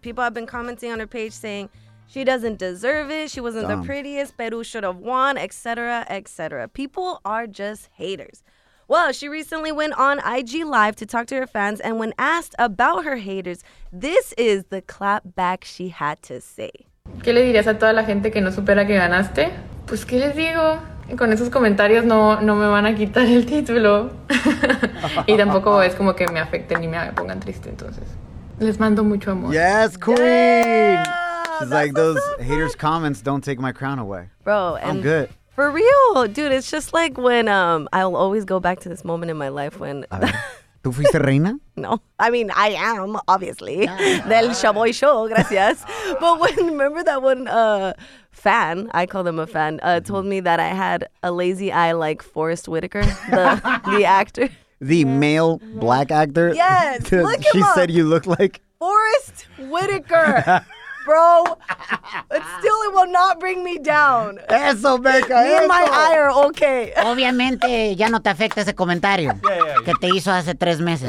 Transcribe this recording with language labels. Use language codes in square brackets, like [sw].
[en] People have been commenting on her page saying, she doesn't deserve it. She wasn't the prettiest. Peru should have won, et cetera, et cetera. People are just haters. Well, she recently went on IG Live to talk to her fans. And when asked about her haters, this is the clap back she had to say. [es] ¿Qué le dirías a toda la gente que no supera que ganaste? Pues, ¿qué les digo? Con esos comentarios no me van a quitar el título. Y tampoco es como que me afecten ni me pongan triste. Entonces, les mando mucho amor. [en] Yes, queen. Yeah. She's like, those haters' comments don't take my crown away. Bro, I'm good. For real. Dude, it's just like when I'll always go back to this moment in my life when... [es] ¿Tú fuiste reina? [en] No. I mean, I am, obviously. Yeah. Del Shaboy Show, gracias. But when, remember that one fan, I call them a fan, told me that I had a lazy eye like Forrest Whitaker, the actor. The male black actor? Yes, look him up. She said you look like... Forrest Whitaker. Bro, but still it will not bring me down. [es] Eso, Becca, me eso. [en] And my eye are okay. [es] Obviamente, ya no te afecta ese comentario que te hizo hace 3 meses.